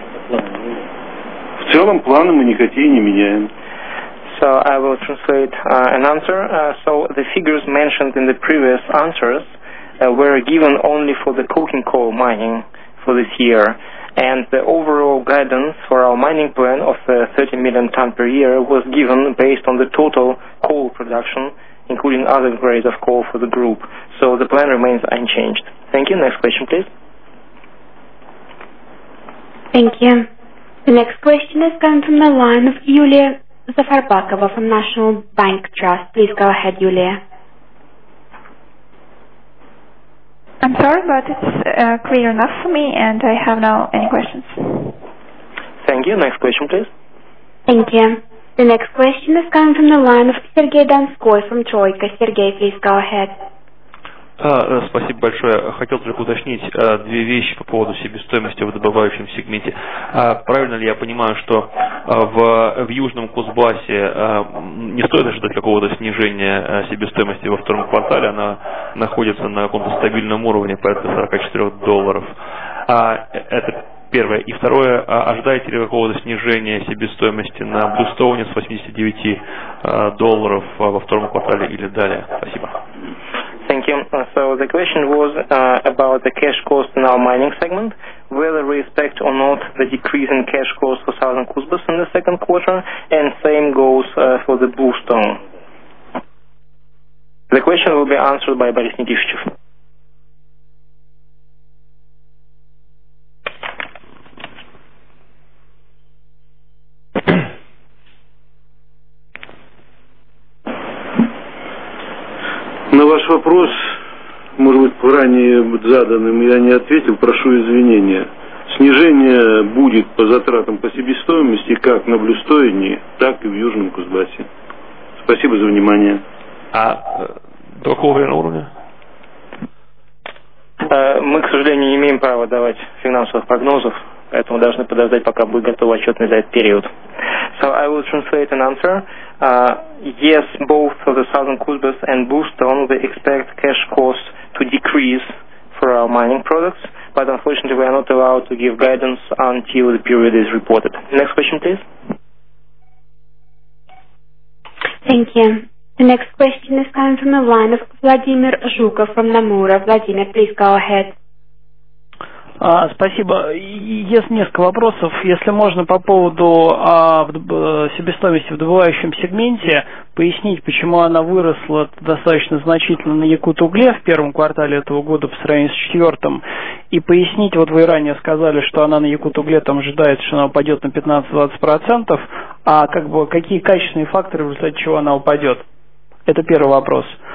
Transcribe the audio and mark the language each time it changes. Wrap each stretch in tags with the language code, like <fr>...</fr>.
<ru>В целом планы мы никакие не меняем.</ru> <en>So I will translate an answer. So the figures mentioned in the previous answers were given only for the coking coal mining for this year, and the overall guidance for our mining plan of 30 million ton per year was given based on the total coal production, including other grades of coal for the group. So the plan remains unchanged. Thank you. Next question, please. Thank you. The next question is coming from the line of Yulia Zafarbakova from National Bank Trust. Please go ahead, Yulia. I'm sorry, but it's clear enough for me, and I have now any questions. Thank you. Next question, please. Thank you. The next question is coming from the line of Sergei Donskoy from Troika. Sergei, please go ahead.</en> <ru>Спасибо большое. Хотел только уточнить две вещи по поводу себестоимости в добывающем сегменте. Правильно ли я понимаю, что в Южном Кузбассе не стоит ожидать какого-то снижения себестоимости во втором квартале? Она находится на каком-то стабильном уровне, порядка $44. Это первое. И второе, ожидаете ли какого-то снижения себестоимости на Блюстоуне с $89 во втором квартале или далее? Спасибо.</ru> <en>Thank you. So the question was about the cash cost in our mining segment, whether we expect or not the decrease in cash cost for Southern Kuzbass in the second quarter, and same goes for the Bluestone. The question will be answered by Boris Nikishchev.</en> <ru>На ваш вопрос, может быть, ранее заданным, я не ответил, прошу извинения. Снижение будет по затратам по себестоимости как на Блюстоуне, так и в Южном Кузбассе. Спасибо за внимание. А до какого уровня? Мы, к сожалению, не имеем права давать финансовых прогнозов, поэтому должны подождать, пока будет готов отчетный за этот период.</ru> <en>So I will translate an answer. Yes, both for the Southern Kuzbass and Bluestone, we expect cash costs to decrease for our mining products, but unfortunately we are not allowed to give guidance until the period is reported. Next question, please. Thank you. The next question is coming from the line of Vladimir Zhukov from Nomura. Vladimir, please go ahead.</en> <ru>Спасибо. Есть несколько вопросов. Если можно, по поводу себестоимости в добывающем сегменте, пояснить, почему она выросла достаточно значительно на Якутугле в первом квартале этого года по сравнению с четвертым, и пояснить, вот вы ранее сказали, что она на Якутугле там ожидается, что она упадет на 15-20%, а как бы какие качественные факторы, в результате чего она упадет? Это первый вопрос.</ru>